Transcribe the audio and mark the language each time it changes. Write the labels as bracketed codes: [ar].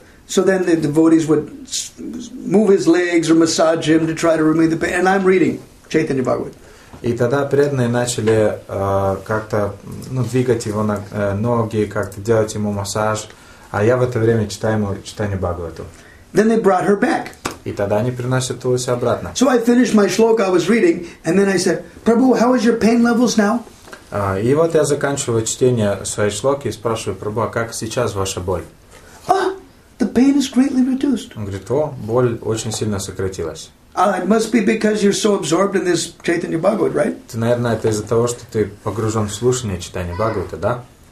[en] So then the devotees would move his legs or massage him to try to remove the pain. And I'm reading Chaitanya Bhagavat. [ru] И тогда преданные начали как-то двигать его ноги, как-то делать ему массаж. А я в это время читаю ему Чайтанью Бхагавату. [en] Then they brought her back. [ru] И тогда они приносят тулоси обратно. [en] So I finished my shloka I was reading. And then I said, Prabhu, how is your pain levels now? [ru] И вот я заканчиваю чтение своей шлоки и спрашиваю, Прабу, а как сейчас ваша боль? [en] The pain is greatly reduced. [ru] Он говорит, о, боль очень сильно сократилась. [en] It must be because you're so absorbed in this Chaitanya Bhagavata, right? [ru] Ты, наверное, это из-за того, что ты погружен в слушание читания Бхагавата, да?